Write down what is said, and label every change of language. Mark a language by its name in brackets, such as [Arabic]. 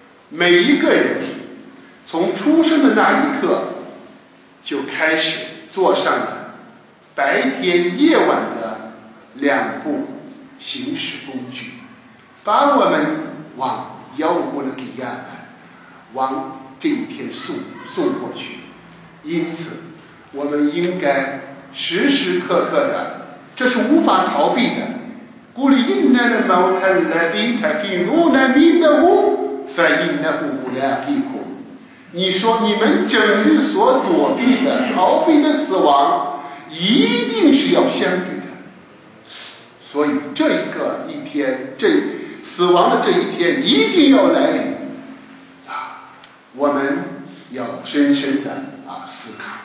[Chinese] 每一个人从出生的那一刻就开始坐上了白天夜晚的两部行驶工具，把我们往妖物的彼岸来，往这一天送过去。因此我们应该时时刻刻的，这是无法逃避的。 [Arabic] قل إن الموت الذي تفرون منه فإنه ملاقيكم. [Chinese] 你说你们整日所躲避的、逃避的死亡，一定是要相遇的。所以这一个一天，这死亡的这一天一定要来临。啊，我们要深深的啊思考。